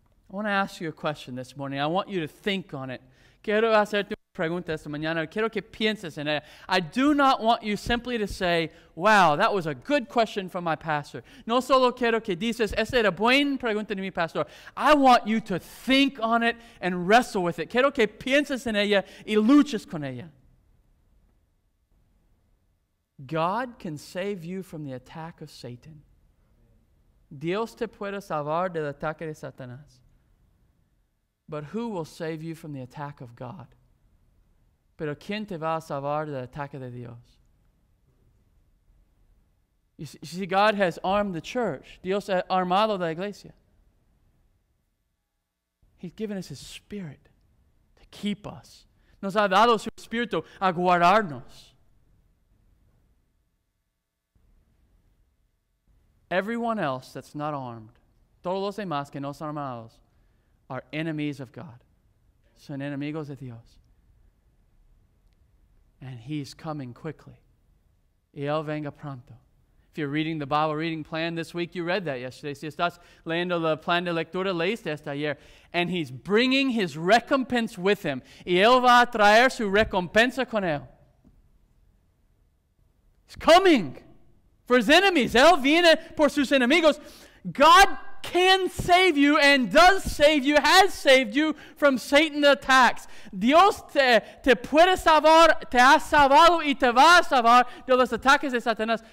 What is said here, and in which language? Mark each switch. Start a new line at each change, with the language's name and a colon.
English: I want to ask you a question this morning. I want you to think on it.
Spanish: Quiero hacerte una pregunta esta mañana. Quiero que pienses en ella.
English: I do not want you simply to say, wow, that was a good question from my pastor.
Spanish: No solo quiero que dices, esa era buena pregunta de mi pastor.
English: I want you to think on it and wrestle with it.
Spanish: Quiero que pienses en ella y luches con ella.
English: God can save you from the attack of Satan.
Spanish: Dios te puede salvar del ataque de Satanás.
English: But who will save you from the attack of God?
Spanish: Pero quién te va a salvar del ataque de Dios?
English: You see, God has armed the church.
Spanish: Dios ha armado la iglesia.
English: He's given us His Spirit to keep us.
Spanish: Nos ha dado su Espíritu a guardarnos.
English: Everyone else that's not armed,
Spanish: todos los demás que no son armados,
English: are enemies of God.
Spanish: Son enemigos de Dios.
English: And He's coming quickly.
Spanish: Y Él venga pronto.
English: If you're reading the Bible reading plan this week, you read that yesterday.
Spanish: Si estás leyendo el plan de lectura, leíste esta ayer.
English: And He's bringing His recompense with Him.
Spanish: Y Él va a traer su recompensa con Él.
English: He's coming for His enemies.
Spanish: Él viene por sus enemigos.
English: God can save you and does save you, has saved you from Satan's attacks.
Spanish: Dios te puede salvar, te ha salvado y te va a salvar de los ataques de Satanás.